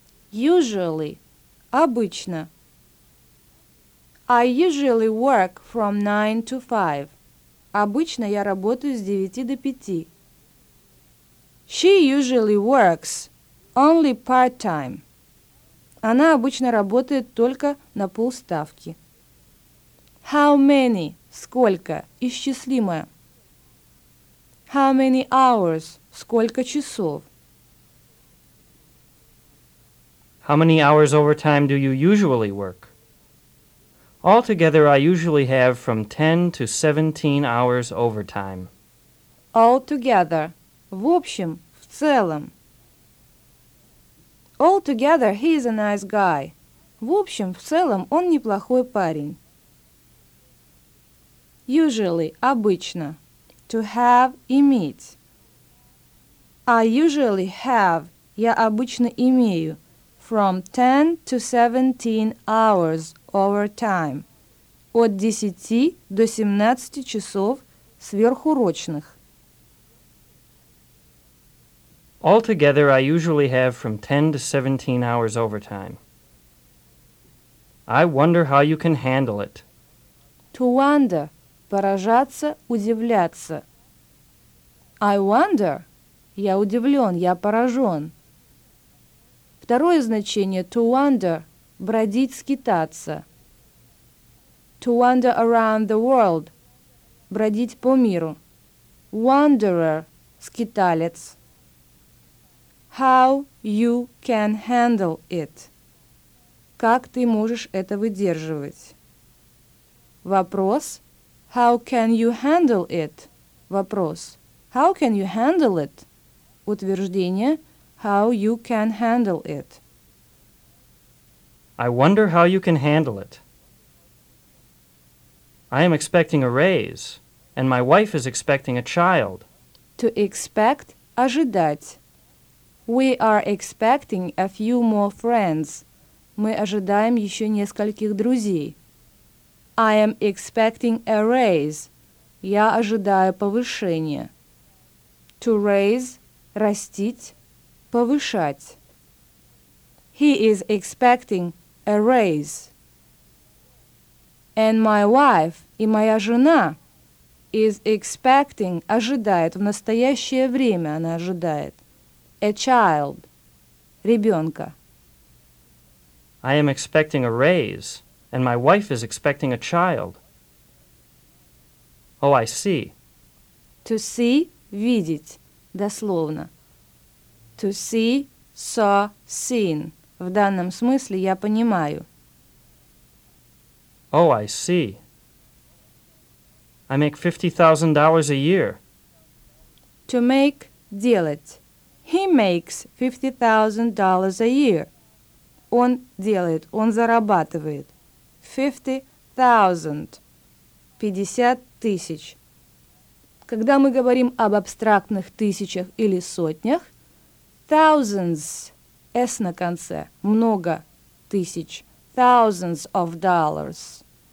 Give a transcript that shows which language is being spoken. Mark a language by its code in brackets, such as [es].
[ru] Usually – обычно. [en] I usually work from 9 to 5. [ru] Обычно я работаю с 9 до 5. [en] She usually works only part-time. [ru] Она обычно работает только на полставки. [en] How many – [ru] сколько, исчислимое. [en] How many hours – [ru] сколько часов. [en] How many hours overtime do you usually work? Altogether, I usually have from 10 to 17 hours overtime. [ru] Altogether – в общем, в целом. [en] Altogether, he is a nice guy. [ru] В общем, в целом, он неплохой парень. [en] Usually – обычно. To have – иметь. I usually have – [ru] я обычно имею. [en] From 10 to 17 hours overtime. [ru] От 10 до 17 часов сверхурочных. [en] Altogether, I usually have from 10 to 17 hours overtime. I wonder how you can handle it. To wonder [ru] – поражаться, удивляться. [en] I wonder [ru] – я удивлен, я поражен. Второе значение – [en] to wander, [ru] бродить, скитаться. [en] To wander around the world, [ru] бродить по миру. Wanderer – скиталец. [en] How you can handle it? [ru] Как ты можешь это выдерживать? [en] Вопрос. How can you handle it? Вопрос. How can you handle it? Утверждение. How you can handle it? I wonder how you can handle it. I am expecting a raise, and my wife is expecting a child. To expect, ожидать. We are expecting a few more friends. [ru] Мы ожидаем еще нескольких друзей. [en] I am expecting a raise. [ru] Я ожидаю повышения. [en] To raise [ru] – растить, повышать. [en] He is expecting a raise. And my wife [ru] – и моя жена – [en] is expecting [ru] – ожидает, в настоящее время она ожидает. [en] A child – ребенка. I am expecting a raise, and my wife is expecting a child. Oh, I see. To see [ru] – видеть, дословно. [en] To see – saw – seen. [ru] В данном смысле я понимаю. [en] Oh, I see. I make $50,000 a year. To make – делать. He makes $50,000 a year. [ru] Он делает, он зарабатывает. 50,000. 50 тысяч. Когда мы говорим об абстрактных тысячах или сотнях, thousands, S на конце, много тысяч, [en] thousands of dollars.